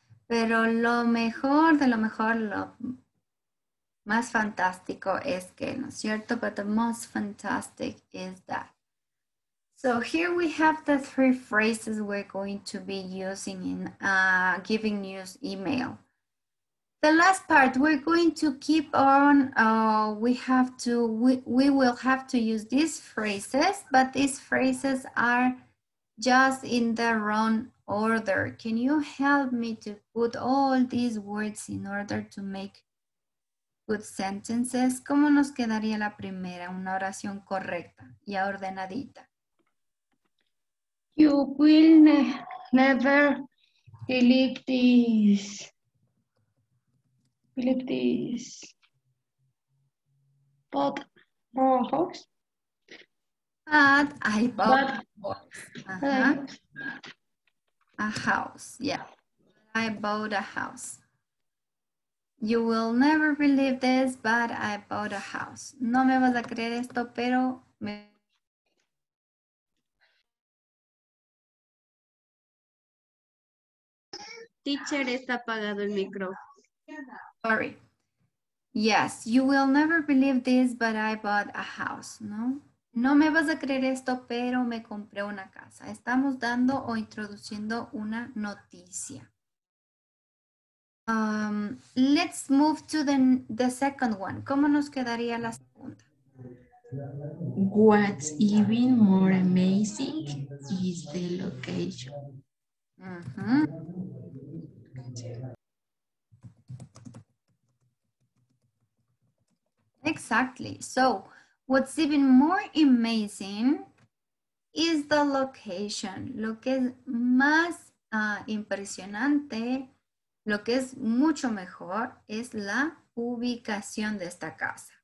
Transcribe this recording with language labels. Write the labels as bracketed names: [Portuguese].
[Spanish] Pero lo mejor de lo mejor, lo más fantástico es que, ¿no es cierto? [English] But the most fantastic is that. So here we have the three phrases we're going to be using in giving news email. The last part, we're going to keep on, we will have to use these phrases, but these phrases are just in the wrong order. Can you help me to put all these words in order to make good sentences? [Spanish] ¿Cómo nos quedaría la primera, una oración correcta y ordenadita? [English] You will never believe this. Believe this. But box. But I bought a house. Yeah, I bought a house. You will never believe this, but I bought a house. [Spanish] No me vas a creer esto, pero me. Teacher, está apagado el micro. [English] Sorry. Yes, you will never believe this, but I bought a house, ¿no? [Spanish] No me vas a creer esto, pero me compré una casa. Estamos dando o introduciendo una noticia. [English] Let's move to the second one. [Spanish] ¿Cómo nos quedaría la segunda? [English] What's even more amazing is the location. Exactly. So, what's even more amazing is the location. [Spanish] Lo que es más impresionante, lo que es mucho mejor, es la ubicación de esta casa.